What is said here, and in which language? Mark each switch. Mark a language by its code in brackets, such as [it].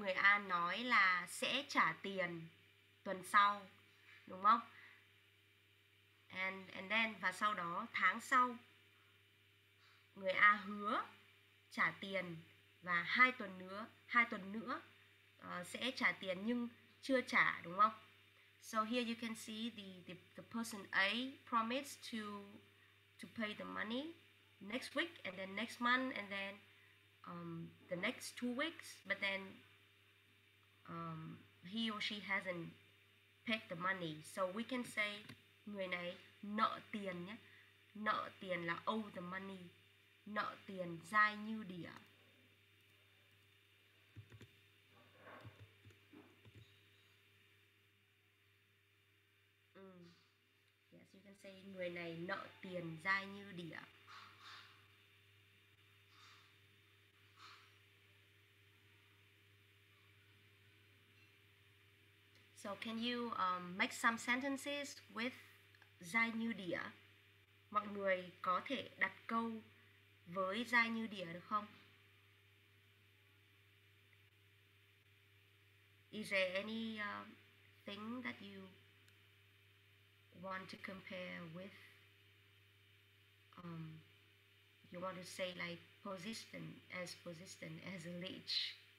[vi] Người A nói là sẽ trả tiền tuần sau, đúng không? [en] And then, [vi] và sau đó, tháng sau, người A hứa trả tiền và hai tuần nữa sẽ trả tiền nhưng chưa trả, đúng không? [en] So here you can see the person A promised to pay the money next week and then next month and then the next 2 weeks, but then he or she hasn't paid the money. So we can say [vi] người này nợ tiền nhé. Nợ tiền là [en] owe the money. [vi] Nợ tiền dai như đỉa. Say người này nợ tiền dai như đỉa. [en] So can you make some sentences with [vi] dai như đỉa? Mọi người có thể đặt câu với dai như đỉa được không? [en] Is there any thing that you want to compare with, you want to say like persistent as a leech?